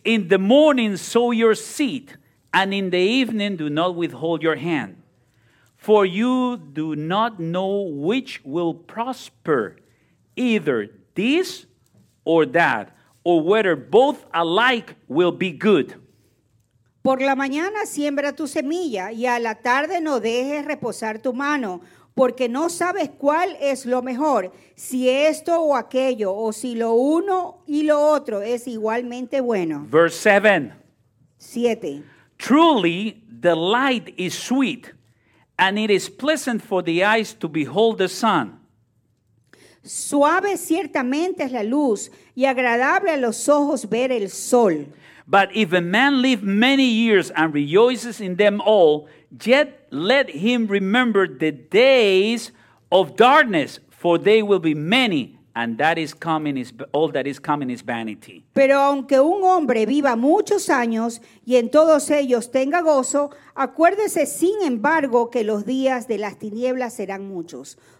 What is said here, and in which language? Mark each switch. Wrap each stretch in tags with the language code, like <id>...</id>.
<en>In the morning sow your seed, and in the evening do not withhold your hand. For you do not know which will prosper, either this or that, or whether both alike will be good.</en> <es>Por la mañana siembra tu semilla, y a la tarde no dejes reposar tu mano, porque no sabes cuál es lo mejor, si esto o aquello, o si lo uno y lo otro es igualmente bueno.</es> <en>Verse 7. 7. Truly, the light is sweet. And it is pleasant for the eyes to behold the sun.</en> <es>Suave ciertamente es la luz, y agradable a los ojos ver el sol.</es> <en>But if a man live many years and rejoices in them all, yet let him remember the days of darkness, for they will be many. And that is coming is all that is coming is vanity.</en> <es>Pero aunque un hombre viva muchos años y en todos ellos tenga gozo, acuérdese sin embargo que los días de las tinieblas serán muchos.</es>